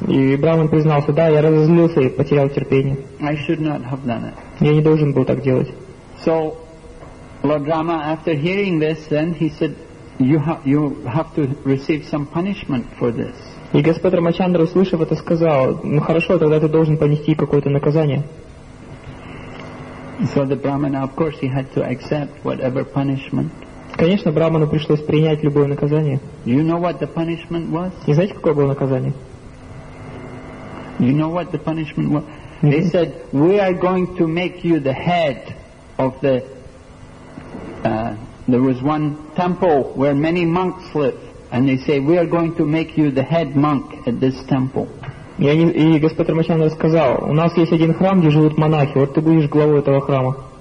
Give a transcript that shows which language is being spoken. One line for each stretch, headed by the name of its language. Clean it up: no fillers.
Russian: И Брахман признался, да, я разозлился и потерял терпение.
English: I should not have done it.
Russian: Я не должен был так делать.
English: So, Lord Rama, after hearing this, then he said, you have to receive some punishment for this.
Russian: И Господь Рамачандра, услышав это, сказал, ну хорошо, тогда ты должен понести какое-то наказание.
English: So the Brahmana, of course, he had to accept whatever punishment.
Russian: Конечно, Брахману пришлось принять любое наказание.
English: You know what the punishment was?
Russian: И знаете, какое было наказание?
English: You know what the punishment was? They said, we are going to make you the head of the... There was one temple where many monks lived. And they say, we are going to make you the head monk at this temple.
Russian: И Господь Рамачандра сказал, у нас есть один храм, где живут монахи, вот ты будешь главой этого храма.